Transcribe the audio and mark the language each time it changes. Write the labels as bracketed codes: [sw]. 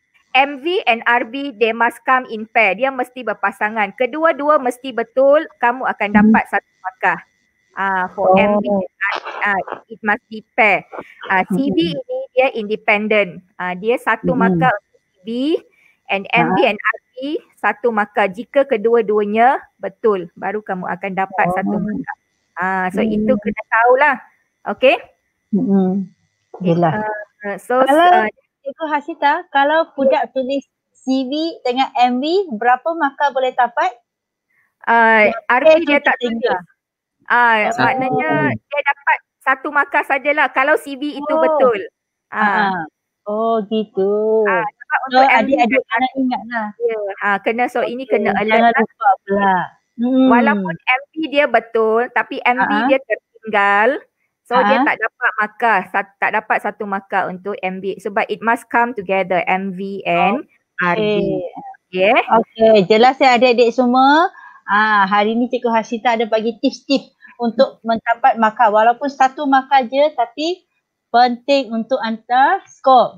[en] MV and RV, they must come in pair. [ms] Dia mesti berpasangan. Kedua-dua mesti betul, kamu akan dapat satu markah. [en] For MV, it must be pair. CV ini dia independent. [ms] Dia satu markah untuk CV, and MV and RV satu markah. Jika kedua-duanya betul, baru kamu akan dapat satu markah. So itu kena tahulah. Okay? Yelah. Cikgu Hasita, kalau budak tulis CV dengan MV, berapa markah boleh dapat? RV dia tak tulis. Maknanya dia dapat satu markah sajalah kalau CV itu betul. Gitu. Untuk adik-adik kena ingatlah. Kena, so ini kena alert. Jangan lupa pula. Walaupun MV dia betul, tapi MV dia tertinggal. So dia tak dapat markah, tak dapat satu markah untuk MV. [en] Sebab it must come together, MV and RV. [ms] Okay, jelas ya adik-adik semua. Hari ni Cikgu Hasita ada bagi tips-tips untuk mendapat markah. Walaupun satu markah je, tapi penting untuk hantar skor.